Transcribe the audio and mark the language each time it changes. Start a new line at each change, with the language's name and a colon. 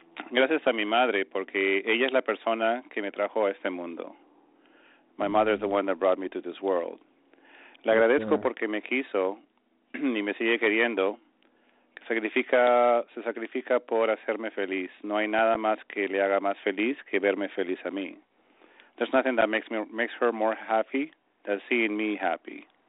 Spanish: Gracias a mi madre, porque ella es la persona que me trajo a este mundo.
English: My mother is the one that brought me to this world.
Spanish: Le agradezco porque me quiso y me sigue queriendo. Se sacrifica por hacerme feliz. No hay nada más que le haga más feliz que verme feliz a mí.
English: There's nothing that makes her more happy than seeing me happy.